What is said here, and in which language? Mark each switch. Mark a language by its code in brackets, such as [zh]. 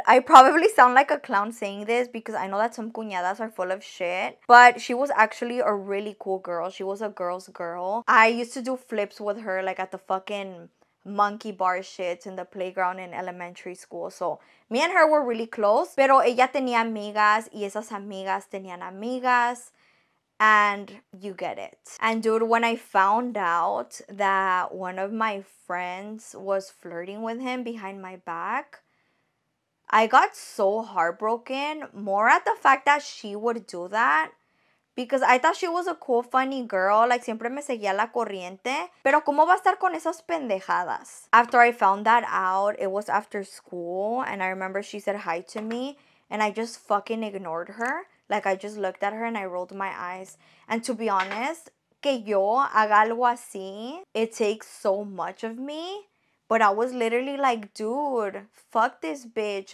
[en] I probably sound like a clown saying this because I know that some cuñadas are full of shit, but she was actually a really cool girl. She was a girl's girl. I used to do flips with her, like, at the fucking monkey bar shits in the playground in elementary school. So me and her were really close. [es] Pero ella tenía amigas y esas amigas tenían amigas. [en] And you get it. And dude, when I found out that one of my friends was flirting with him behind my back, I got so heartbroken, more at the fact that she would do that, because I thought she was a cool, funny girl. [es] Like, siempre me seguía la corriente. Pero ¿cómo va a estar con esas pendejadas? [en] After I found that out, it was after school, and I remember she said hi to me, and I just fucking ignored her. Like, I just looked at her and I rolled my eyes. And to be honest, [es] que yo haga algo así, [en] it takes so much of me. But I was literally like, dude, fuck this bitch.